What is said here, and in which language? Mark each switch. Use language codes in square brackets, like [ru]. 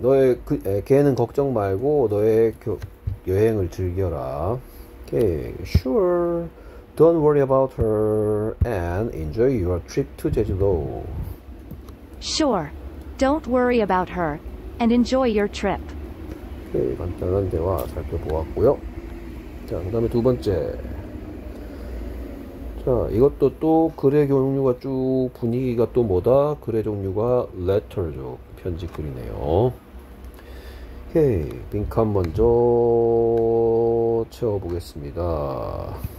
[ko] 너의 그 걔는 걱정 말고 너의 여행을 즐겨라. [en] 오케이. Sure. Don't worry about her and enjoy your trip to 제주도. Sure. Don't worry about her and enjoy your trip. [ko] 오케이. 간단한 대화 살펴보았고요. 자, 그다음에 두 번째. 자, 이것도 또 글의 종류가 쭉 분위기가 또 뭐다? 글의 종류가 letter죠. 편지 글이네요. 오케이, 빈칸 먼저 채워보겠습니다.